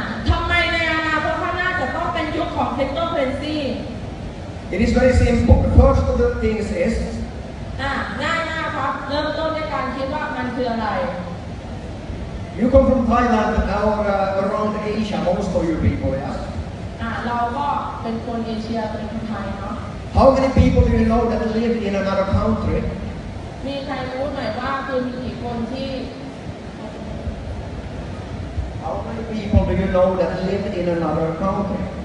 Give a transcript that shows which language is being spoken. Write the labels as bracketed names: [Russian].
[Thai] ทำไมในอนาคตข้างหน้าจะต้องเป็นยุคของคริปโตเคอเรนซี [English] It is very simple. The first of the things is [Thai] ง่ายมากครับเริ่มต้นด้วยการคิดว่ามันคืออะไร [English] You come from Thailand or around Asia, most of you people, yeah? [Thai] เราก็เป็นคนเอเชียเป็นคนไทยเนาะ [English] How many people do you know that live in another country? [Thai] มีใครรู้หน่อยว่าคือมีกี่คนที่ [English] How many people do you know that live in another country?